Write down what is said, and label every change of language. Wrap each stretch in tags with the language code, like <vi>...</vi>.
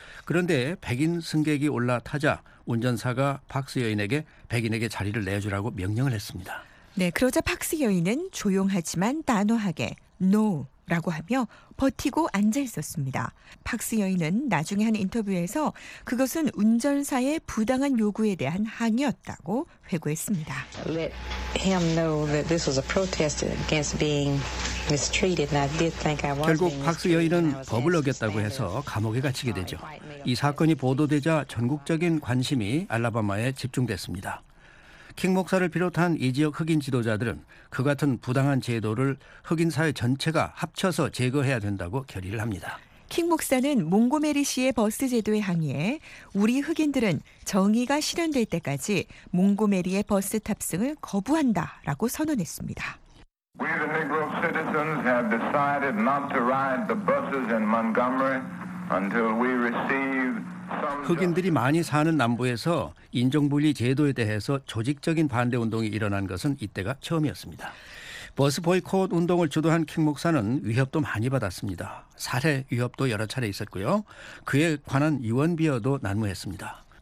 <ko>그런데 백인 승객이 올라타자 운전사가 박스 여인에게 백인에게 자리를 내주라고 명령을 했습니다. 네, 그러자 박스 여인은 조용하지만 단호하게 노라고 하며 버티고 앉아 있었습니다. 박스 여인은 나중에 한 인터뷰에서 그것은 운전사의 부당한 요구에 대한 항의였다고 회고했습니다.</ko> <en>Let him know that this was a protest against being mistreated. And I did think I was.</en> <ko>결국 박스 여인은 법을 어겼다고 해서 감옥에 갇히게 되죠. 이 사건이 보도되자 전국적인 관심이 알라바마에 집중됐습니다. 킹 목사를 비롯한 이 지역 흑인 지도자들은 그 같은 부당한 제도를 흑인 사회 전체가 합쳐서 제거해야 된다고 결의를 합니다. 킹 목사는 몽고메리시의 버스 제도에 항의해 우리 흑인들은 정의가 실현될 때까지 몽고메리의 버스 탑승을 거부한다라고 선언했습니다.</ko> <en>We the Negro citizens have decided not to ride the buses in Montgomery. Until we receive some...</en> <ko>흑인들이 많이 사는 남부에서 인종분리 제도에 대해서 조직적인 반대운동이 일어난 것은 이때가 처음이었습니다. 버스 보이콧 운동을 주도한 킹 목사는 위협도 많이 받았습니다. 살해 위협도 여러 차례 있었고요. 그에 관한 유언비어도 난무했습니다.</ko>